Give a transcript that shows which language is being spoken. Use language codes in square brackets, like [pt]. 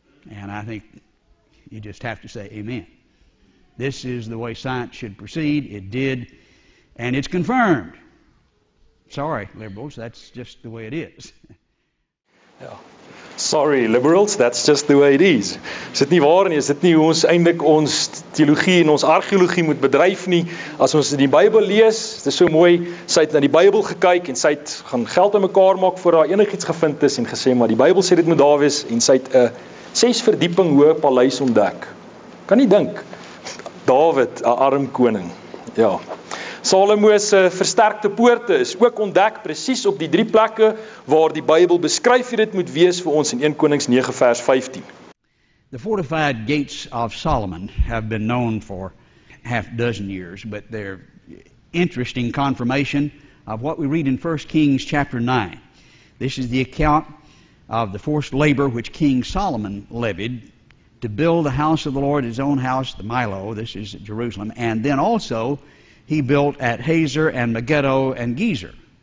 [en] And I think you just have to say amen. This is the way science should proceed. It did. And it's confirmed. Sorry, liberals, that's just the way it is. Yeah. Sorry liberals, that's just the way it is. [af] Is dit nie waar nie? Is dit nie hoe ons eintlik ons teologie en ons argeologie moet bedryf nie? As ons die Bybel lees, dit is so mooi, sy het na die Bybel gekyk en sy het gaan geld aan mekaar maak voor daar enigiets gevind is en gesê, maar die Bybel sê dit moet daar wees en sy het 'n 6 verdieping hoë paleis ontdek. Kan nie dink. Dawid, 'n arm koning. Ja. Salomo se versterkte poorte is ook ontdek presies op die 3 plekke waar die Bybel beskryf hoe dit moet wees vir ons in 1 Konings 9 vers 15. [en] The fortified gates of Solomon have been known for half dozen years, but they're interesting confirmation of what we read in 1 Kings chapter 9. This is the account of the forced labor which King Solomon levied to build the house of the Lord, his own house, the Milo, this is at Jerusalem, and then also he built at Hazor and Megiddo and Gezer.